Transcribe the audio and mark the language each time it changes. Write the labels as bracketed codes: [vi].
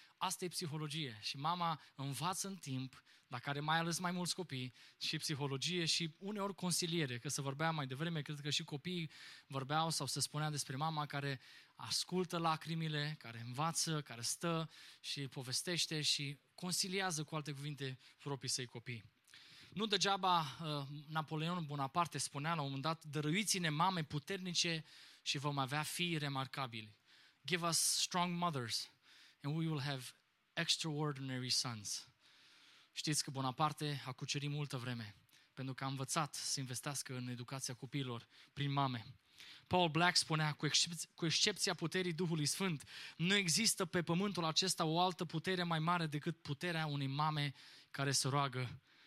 [ro] Asta e psihologie și mama învață în timp, dacă are mai ales mai mulți copii, și psihologie și uneori consiliere, că se vorbea mai devreme, cred că și copiii vorbeau sau se spunea despre mama care ascultă lacrimile, care învață, care stă și povestește și consiliază, cu alte cuvinte, proprii săi copii. Nu degeaba Napoleon Bonaparte spunea la un moment dat, dăruiți-ne mame puternice și vom avea fii remarcabili. [en] Give us strong mothers and we will have extraordinary sons. [ro] Știți că Bonaparte a cucerit multă vreme pentru că a învățat să investească în educația copiilor prin mame. Paul Black spunea, cu excepția puterii Duhului Sfânt, nu există pe pământul acesta o altă putere mai mare decât puterea unei mame care se roagă.